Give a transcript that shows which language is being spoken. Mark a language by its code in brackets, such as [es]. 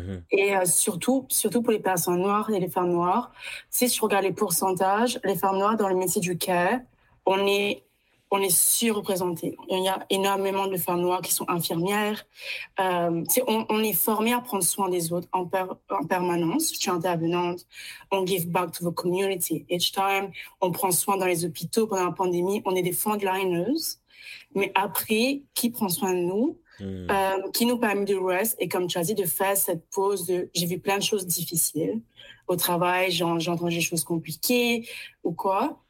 [fr] Et surtout pour les personnes noires et les femmes noires. Si je regarde les pourcentages, les femmes noires dans le métier du care, on est surreprésentés. Il y a énormément de femmes noires qui sont infirmières. On est formés à prendre soin des autres en permanence. Je suis intervenante. On [en] give back to the community each time. [fr] On prend soin dans les hôpitaux pendant la pandémie. On est des frontliners. Mais après, qui prend soin de nous? Qui nous permet de [en] rest? [fr] Et comme tu as dit, de faire cette pause de « j'ai vu plein de choses difficiles au travail, j'ai entendu des choses compliquées ou quoi.